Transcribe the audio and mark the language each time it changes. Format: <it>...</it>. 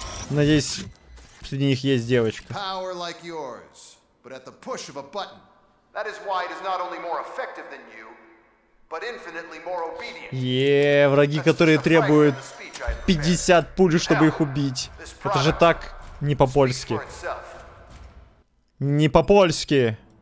<ru>Надеюсь, среди них есть девочка.</ru> <en>Power like yours, but at the push of a button. That is why it is not only more effective than you, but infinitely more obedient.</en> <ru>Yeah, враги, которые требуют 50 пуль, чтобы их убить. Это же так не по-польски. Не по-польски.</ru>